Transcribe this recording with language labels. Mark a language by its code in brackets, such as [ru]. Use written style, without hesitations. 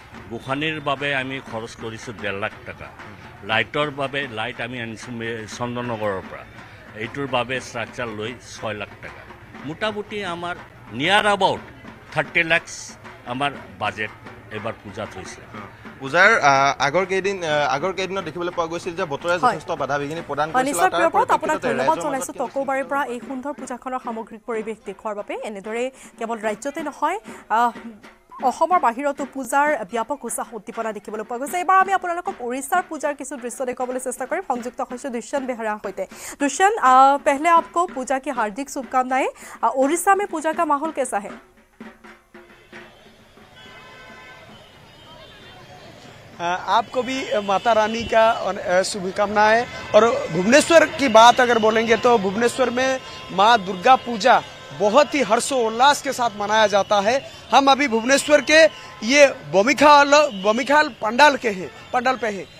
[as] গোসানীৰ বাবে আমি খৰচ কৰিছোঁ 1.5 লাখ টকা। লাইটৰ বাবে লাইট আমি আনিছোঁ চন্দননগৰৰ পৰা, এইটোৰ বাবে ষ্ট্ৰাকচাৰ লৈ 6 লাখ টকা। মোটামুটি আমাৰ নিয়াৰ এবাউট 30 লাখ আমাৰ বাজেট এবাৰ পূজাত হৈছে। পূজার আগর কেদিন আগর কেদিন দেখিলে পাওয়া গৈছিল যে বতরে যথেষ্ট বাধা বিঘিনি প্রদান কৰিছিল তাৰ পৰা আপোনাক ধন্যবাদ জনাইছো টকোবাৰি পৰা এই সুন্দৰ পূজাখনৰ সামগ্ৰিক পৰিবেশ দেখুৱাৰ বাবে এনেদৰে কেৱল ৰাজ্যতে নহয় অসমৰ বাহিৰতো পূজাৰ ব্যাপক উৎসাহ উদ্দীপনা দেখিবলৈ পোৱা গৈছে এবাৰ আমি আপোনালোকক উৰিষ্যাৰ পূজাৰ কিছু দৃশ্য দেখুৱাবলৈ চেষ্টা কৰিম সংযুক্ত হৈছে দুষ্যন্ত বেহৰাৰ সৈতে দুষ্যন্ত [hi] পহলে আপকো পূজা কি হাৰ্দিক শুভকামনাই উৰিষ্যা মে পূজা কা মাহল কেছা হে आपको भी माता रानी का शुभकामनाएं और भुवनेश्वर की बात अगर बोलेंगे तो भुवनेश्वर में माँ दुर्गा पूजा बहुत ही हर्षोल्लास के साथ मनाया जाता है। हम अभी भुवनेश्वर के ये बोमिखाल पंडाल के हैं, पंडाल पे हैं।